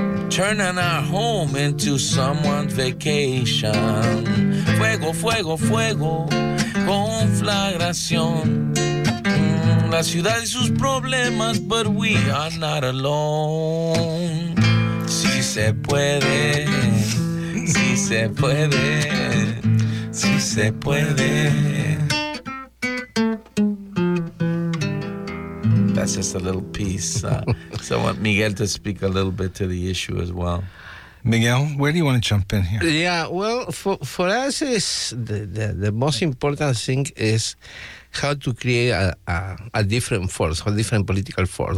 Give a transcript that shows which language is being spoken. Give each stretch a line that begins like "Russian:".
English: Turning our home into someone's vacation.
Spanish: Fuego, fuego, fuego, conflagración. La ciudad y sus problemas,
English: but we are not alone.
Spanish: Si se puede, si se puede, si se puede.
English: That's just a little piece. So I want Miguel to speak a little bit to the issue as well. Miguel, where do you want to jump in here? Yeah, well, for us, is the most important thing is how to create a different force, a different political force.